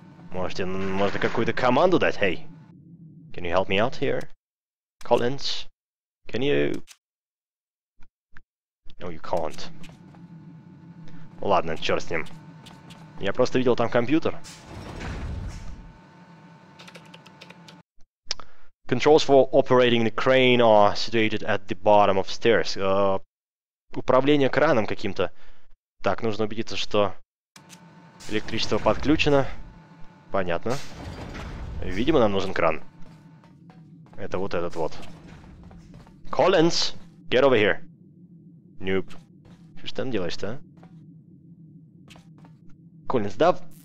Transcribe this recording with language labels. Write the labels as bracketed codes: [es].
[ru] Можете, можно какую-то команду дать, hey? [en] Can you help me out here? Коллинс? Can you... No, you can't. [ru] Ладно, черт с ним. Я просто видел там компьютер. [en] Controls for operating the crane are situated at the bottom of stairs. [ru] Управление краном каким-то. Так, нужно убедиться, что электричество подключено. Понятно. Видимо, нам нужен кран. Это вот этот вот. Коллинс, [en] get over here. [ru] Нюб. Что ж ты там делаешь-то, а? Коллинс, да?